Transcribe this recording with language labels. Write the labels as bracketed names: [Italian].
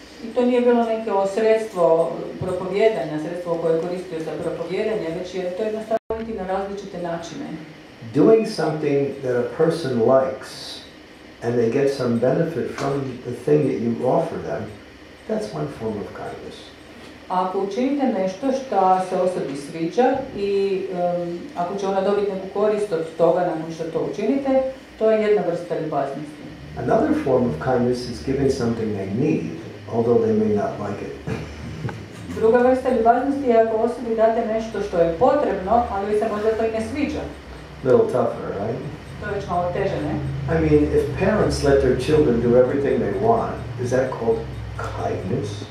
[Croatian] I to nije bilo neke sredstvo propovjedanja, sredstvo koje je koristio za propovjedanje, već je to jednostavno biti na različite načine. [English] Doing something that a person likes and they get some benefit from the thing that you offer them, that's one form of kindness. [Croatian] Ako učinite nešto što se osobi sviđa i ako će ona dobiti neku korist od toga nakon što to učinite, to je jedna vrsta ljubaznosti. [English] Another form of kindness is giving something they need, although they may not like it. [Croatian] Druga vrsta ljubaznosti je ako osobi date nešto što je potrebno, ali se možda to i ne sviđa. [English] Little tougher, right? [Croatian] To je već malo teže, ne? [English] I mean, if parents let their children do everything they want, is that called kindness?